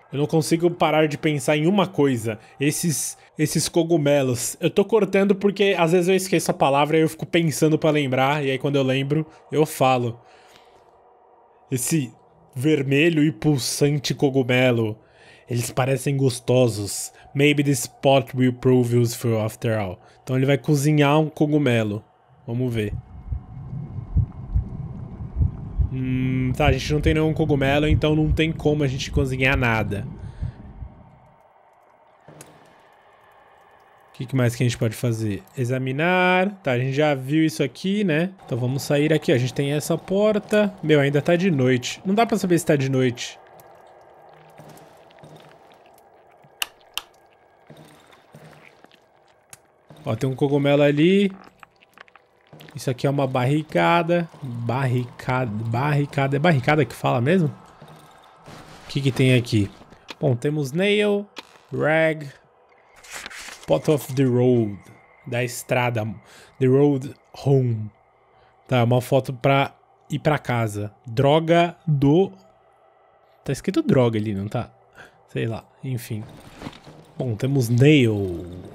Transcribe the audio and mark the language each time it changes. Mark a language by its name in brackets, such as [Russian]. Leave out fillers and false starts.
[Portuguese] Eu não consigo parar de pensar em uma coisa. Esses cogumelos. Eu tô cortando porque às vezes eu esqueço a palavra e eu fico pensando pra lembrar. E aí quando eu lembro, eu falo. Esse vermelho e pulsante cogumelo. Eles parecem gostosos. [English] Maybe this pot will prove useful after all. [Portuguese] Então ele vai cozinhar um cogumelo. Vamos ver. Tá, a gente não tem nenhum cogumelo, então não tem como a gente cozinhar nada. O que mais que a gente pode fazer? Examinar. Tá, a gente já viu isso aqui, né? Então vamos sair aqui. A gente tem essa porta. Meu, ainda tá de noite. Não dá pra saber se tá de noite. Ó, tem um cogumelo ali. Isso aqui é uma barricada. Barricada. É barricada que fala mesmo? O que tem aqui? Bom, temos [English] nail, rag, pot of the road. [Portuguese] Da estrada. [English] The road home. [Portuguese] Tá, uma foto pra ir pra casa. Droga do... Tá escrito droga ali, não tá? Sei lá, enfim. Bom, temos nail.